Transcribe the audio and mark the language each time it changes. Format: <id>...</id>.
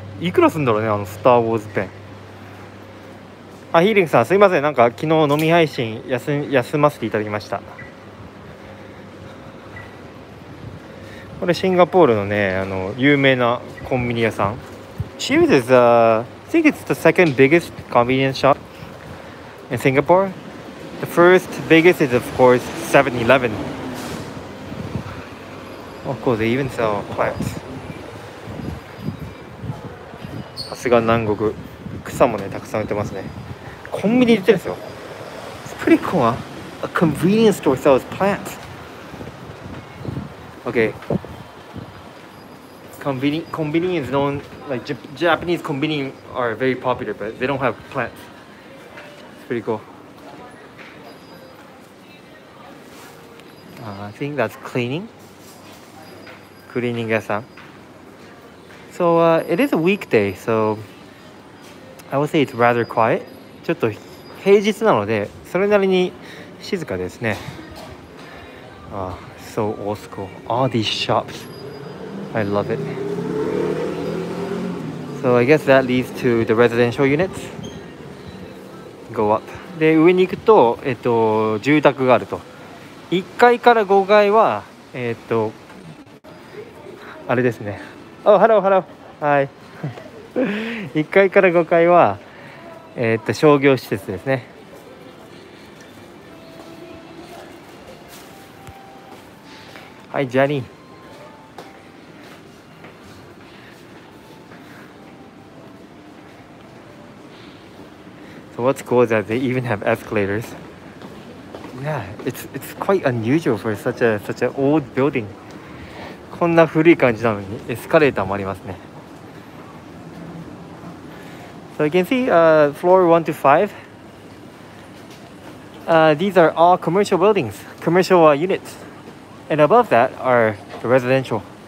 <ja>いくらすんだろうね、スター・ウォーズペン。あ、ヒーリングさん、すいません。なんか昨日飲み配信休ませていただきました。これシンガポールのね、有名なコンビニ屋さん。</ja> <en>Cheers is, I think it's the second biggest convenience shop in Singapore. The first biggest is, of course, 7-Eleven. Of course, they even sell plants.</en> <ja>さすが南国。草もね、たくさん売ってますね。コンビニ売ってるんですよ。</ja> <en>It's pretty cool, huh? A convenience store sells plants. Okay. Convenience is known, like Japanese convenience are very popular, but they don't have plants. It's pretty cool. I think that's cleaning. So it is a weekday, so I would say it's rather quiet.</en> <ja>ちょっと平日なので、それなりに静かですね。</ja> <en>Ah, so old school. All these shops. I love it. So I guess that leads to the residential units. go up.</en> <ja>で上に行くと、住宅があると。1階から5階はあれですね。おハローハロー。はい。1階から5階は商業施設ですね。はい、ジャニー。</ja> <en>So what's cool is that they even have escalators. Yeah, it's quite unusual for such an old building.</en> <ja>こんな古い感じなのにエスカレーターもありますね。</ja> <en>So you can see floor 1 to 5. These are all commercial buildings, commercial units. And above that are the residential.</en>